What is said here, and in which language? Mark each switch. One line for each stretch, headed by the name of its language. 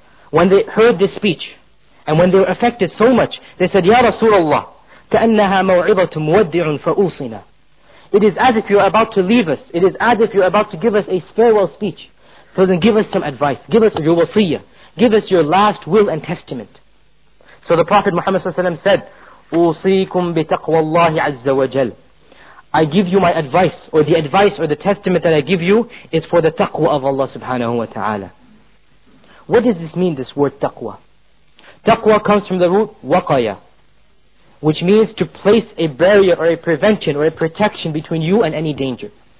English: When they heard this speech and when they were affected so much, they said,
Arabic: يَا رَسُولَ اللَّهِ. كَأَنَّهَا مَوْعِظَةٌ مُوَدِّعٌ فَأُوصِنَا.
English: It is as if you are about to leave us. It is as if you are about to give us a farewell speech. So then give us some advice. Give us your wasiyah. Give us your last will and testament. So the Prophet Muhammad ﷺ said,
Arabic: أُوصِيكُمْ بِتَقْوَى اللَّهِ عَزَّ وَجَلَّ.
English: I give you my advice, or the advice or the testament that I give you is for the taqwa of Allah subhanahu wa ta'ala. What does this mean, this word taqwa? Taqwa comes from the root waqaya, which means to place a barrier or a prevention or a protection between you and any danger.